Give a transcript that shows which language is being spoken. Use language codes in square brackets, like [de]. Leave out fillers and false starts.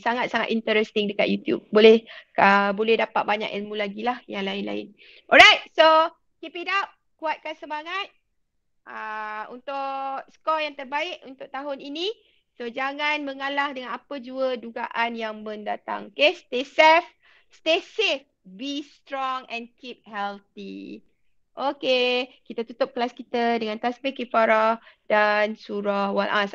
[ms] Sangat-sangat interesting dekat YouTube. Boleh boleh dapat banyak ilmu lagi lah yang lain-lain. [en] Alright, so keep it up. [ms] Kuatkan semangat untuk skor yang terbaik untuk tahun ini. So jangan mengalah dengan apa jua dugaan yang mendatang. [en] Okay, stay safe, stay safe, be strong and keep healthy. [ms] Okay, kita tutup kelas kita dengan tasbih kifarah dan surah wal'as.